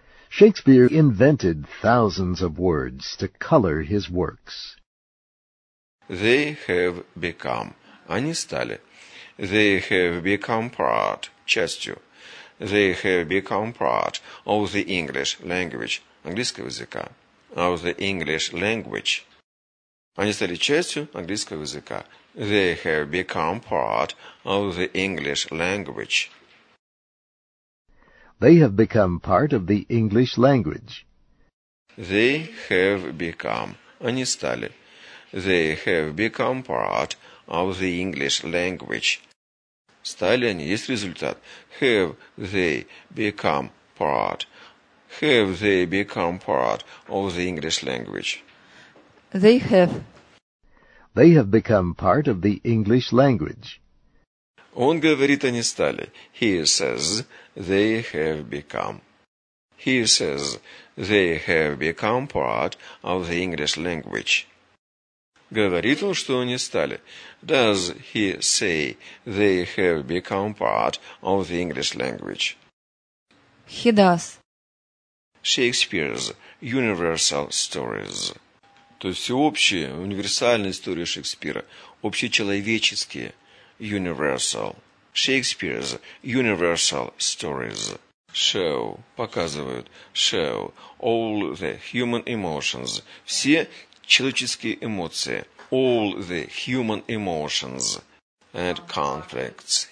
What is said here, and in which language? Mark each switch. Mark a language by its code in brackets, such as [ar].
[en] Shakespeare invented thousands of words to color his works. They have become. [ru] Они стали. [en] They have become part. [ru] Частью. [en] They have become part of the English language. [ru] Английского языка. [en] Of the English language. [ru] Они стали частью английского языка. [en] They have become part of the English language. They have become part of the English language. They have become. [ru] Они стали. [en] They have become part of the English language. [ru] Стали они, есть результат. [en] Have they become part? Have they become part of the English language? They have. They have become part of the English language. [ru] Он говорит, они стали. [en] He says they have become. He says they have become part of the English language. [ru] Говорит он, что они стали. [en] Does he say they have become part of the English language? He does. Shakespeare's universal stories. [ru] То есть всеобщие, универсальные истории Шекспира. Общечеловеческие. [en] Universal. Shakespeare's universal stories. Show. [ru] Показывают. [en] Show. All the human emotions. [ru] Все человеческие эмоции. [en] All the human emotions and conflicts.